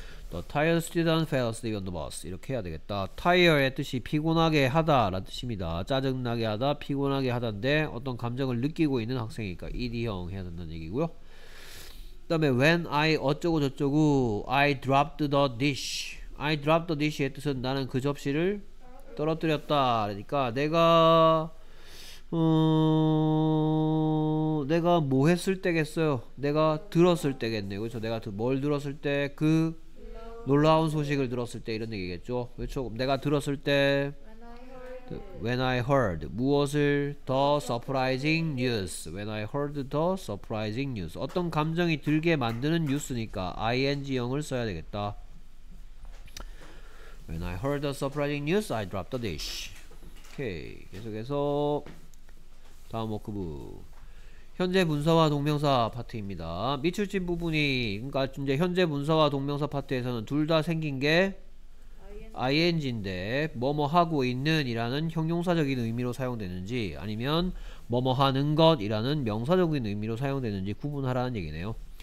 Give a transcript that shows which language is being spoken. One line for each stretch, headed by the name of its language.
English: The tired student fell asleep on the bus.
Korean: 이렇게 해야 되겠다. Tired의 뜻이 피곤하게 하다라는 뜻입니다. 짜증나게 하다, 피곤하게 하다인데 어떤 감정을 느끼고 있는 학생이니까 ED형 해야 된다는 얘기고요. 그 다음에
English: when I
Korean: 어쩌고 저쩌고
English: I dropped the dish. I dropped the dish
Korean: 의 뜻은 나는 그 접시를 떨어뜨렸다. 그러니까 내가 뭐 했을 때겠어요. 내가 들었을 때겠네요. 그렇죠. 내가 뭘 들었을 때, 그 놀라운 소식을 들었을 때 이런 얘기겠죠. 그렇죠. 내가 들었을 때
English: when I heard
Korean: 무엇을 더
English: surprising news. When I heard the surprising news
Korean: 어떤 감정이 들게 만드는 뉴스니까 ing형을 써야 되겠다.
English: When I heard the surprising news, I dropped the dish.
Korean: 오케이. 계속해서 다음 워크부 현재 문서와 동명사 파트입니다. 미출진 부분이 그러니까 이제 현재 문서와 동명사 파트에서는 둘 다 생긴 게 ing인데 뭐뭐 하고 있는 이라는 형용사적인 의미로 사용되는지 아니면 뭐뭐 하는 것 이라는 명사적인 의미로 사용되는지 구분하라는 얘기네요.